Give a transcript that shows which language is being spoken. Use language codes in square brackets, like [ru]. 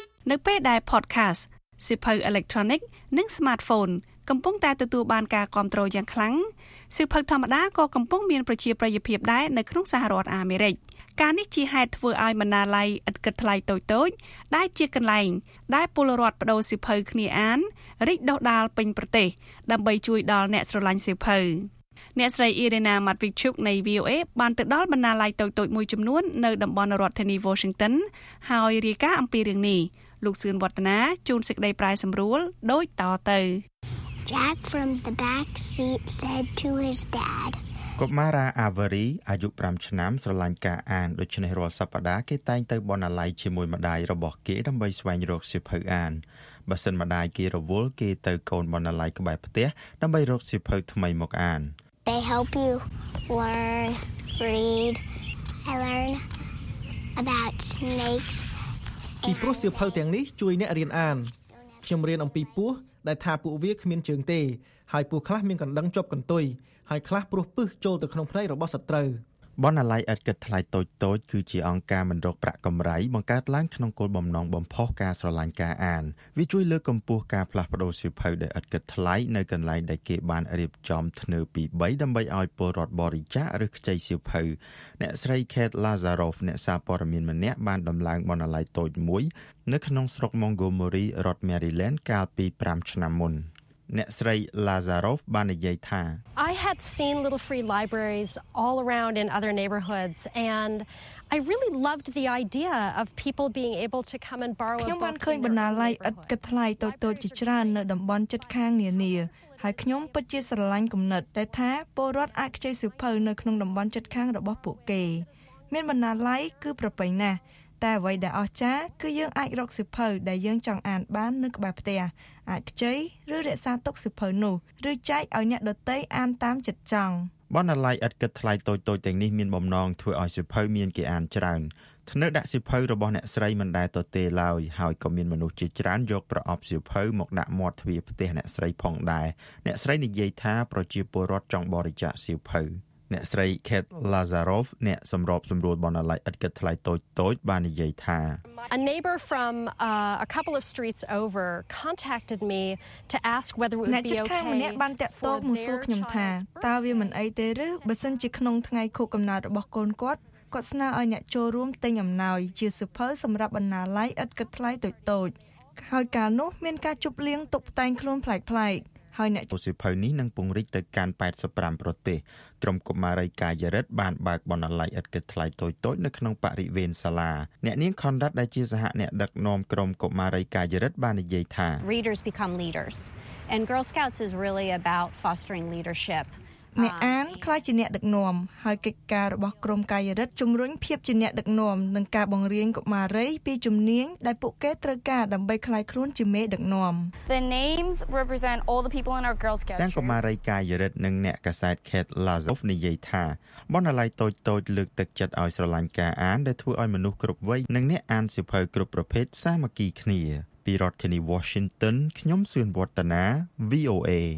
[km] នៅពេលដែល podcast សៀវភៅ electronic និង smartphone កំពុងតែទទួលបានការគាំទ្រយ៉ាងខ្លាំងសៀវភៅធម្មតាក៏កំពុងមានប្រជាប្រិយភាពដែរនៅក្នុងសហរដ្ឋអាមេរិកការនេះជាហេតុធ្វើឲ្យបណ្ណាល័យឥតគិតថ្លៃតូចៗដែលជាកន្លែងដែលពលរដ្ឋបដូរសៀវភៅគ្នាអានរីកដុះដាលពេញប្រទេសដើម្បីជួយដល់អ្នកស្រឡាញ់សៀវភៅ អ្នកស្រី Irena Matvichuk នៃ VOA បានទៅដល់បណ្ណាល័យតូចៗមួយចំនួននៅតំបន់រដ្ឋធានី Washington ហើយរាយការណ៍អំពីរឿងនេះលោកសឿនវឌ្ឍនាជូនសេចក្តីប្រែសម្រួលដូចតទៅ [en] Jack from the back seat said to his dad [km] កុមារាអាវរីអាយុ5ឆ្នាំស្រឡាញ់ការអានដូច្នេះរាល់សប្តាហ៍គេតែងទៅបណ្ណាល័យជាមួយម្ដាយរបស់គេដើម្បីស្វែងរកសៀវភៅអានបើសិនម្ដាយគេរវល់គេទៅកូនបណ្ណាល័យក្បែរផ្ទះដើម្បីរកសៀវភៅថ្មីមកអាន [en] They help you learn read and learn about snakes [km] ពីព្រោះសៀវភៅទាំងនេះជួយអ្នករៀនអានខ្ញុំរៀនអំពីពស់ ដែលថាពួកវាគ្មានជើងទេហើយពួកខ្លះមានកណ្ដឹងជាប់កន្ទុយហើយខ្លះព្រោះពឹសចូលទៅក្នុងផ្នែករបស់សត្រូវ បណ្ណាល័យអត់កត់ថ្លៃតូចតូចគឺជាអង្គការមិនរកប្រាក់កម្រៃបង្កើតឡើងក្នុងគោលបំណងបំផុសការស្រឡាញ់ការអានវាជួយលើកកម្ពស់ការផ្លាស់ប្ដូរសៀវភៅដែលអត់កត់ថ្លៃនៅកន្លែងដែលគេបានរៀបចំធ្នើពី3ដើម្បីឲ្យពលរដ្ឋបរិច្ចាគឬខ្ចីសៀវភៅអ្នកស្រីខេតឡាហ្សារ៉ូវអ្នកសារព័ត៌មានម្នាក់បានដំឡើងបណ្ណាល័យតូចមួយនៅក្នុងស្រុកម៉ងហ្គោមូរីរដ្ឋមេរីឡែនកាលពី5ឆ្នាំមុនអ្នកស្រី Lazarov បាននិយាយថា [en] I had seen little free libraries all around in other neighborhoods and I really loved the idea of people being able to come and borrow a book. [km] ខ្ញុំបានឃើញបណ្ណាល័យឥតគិតថ្លៃតូចៗជាច្រើននៅតំបន់ជិតខាងនានាហើយខ្ញុំពិតជាស្រឡាញ់គំនិតដែលថាពលរដ្ឋអាចខ្ចីសៀវភៅនៅក្នុងតំបន់ជិតខាងរបស់ពួកគេមានបណ្ណាល័យគឺប្រពៃណាស់តែអ្វីដែលអស្ចារ្យគឺយើងអាចរកសៀវភៅដែលយើងចង់អានបាននៅក្បែរផ្ទះអាចខ្ចីឬរក្សាទុកសៀវភៅនោះឬចែកឲ្យអ្នកដទៃអានតាមចិត្តចង់បណ្ណាល័យឥតគិតថ្លៃតូចៗទាំងនេះមានបំណងធ្វើឲ្យសៀវភៅមានគេអានច្រើនធ្នើដាក់សៀវភៅរបស់អ្នកស្រីមិនដែលទទេឡើយហើយក៏មានមនុស្សជាច្រើនយកប្រអប់សៀវភៅមកដាក់មាត់ទ្វារផ្ទះអ្នកស្រីផងដែរអ្នកស្រីនិយាយថាប្រជាពលរដ្ឋចង់បរិច្ចាគសៀវភៅអ្នកស្រី Kate Lazarov អ្នកសម្របសម្រួលបណ្ណាល័យឥតគិតថ្លៃតូចៗបាននិយាយថា [en] A neighbor from a couple of streets over contacted me to ask whether it would be okay. [km] អ្នកបានតាក់ទងមកសួរខ្ញុំថាតើវាមិនអីទេឬបើសិនជាក្នុងថ្ងៃខួបកំណើតរបស់កូនគាត់គាត់ស្នើឲ្យអ្នកចូលរួមទិញអំណោយជាសុភើសម្រាប់បណ្ណាល័យឥតគិតថ្លៃតូចៗហើយកាលនោះមានការជប់លៀងតុបតែងខ្លួនប្លែកៗហើយអ្នក ពុសិភៅនេះនឹងពង្រីកទៅកាន់85ប្រទេសក្រុមកុមារីកាយរិតបានបើកបណ្ណាល័យឥតគិតថ្លៃតូចៗនៅក្នុងបរិវេណសាលាអ្នកនាងខុនរ៉ាត់ដែលជាសហអ្នកដឹកនាំក្រុមកុមារីកាយរិតបាននិយាយថា [en] Readers become leaders and Girl Scouts is really about fostering leadership [km] អ្នកអានខ្លះជាអ្នកដឹកនាំហើយកិច្ចការរបស់ក្រុមកាយរិតជំរុញភាពជាអ្នកដឹកនាំនិងការបង្រៀនកុមារីពីជំនាញដែលពួកគេត្រូវការដើម្បីក្លាយខ្លួនជាមេដឹកនាំ [en] The names represent all the people in our Girl Scouts [km] ទាំងកុមារីកាយរិតនិងអ្នកកសែត Kate Lazarov និយាយថាបណ្ណាល័យតូចៗលើកទឹកចិត្តឲ្យស្រឡាញ់ការអានដែលធ្វើឲ្យមនុស្សគ្រប់វ័យនិងអ្នកអានសៀវភៅគ្រប់ប្រភេទសាមគ្គីគ្នាពីរដ្ឋធានី Washington ខ្ញុំសឿនវឌ្ឍនា VOA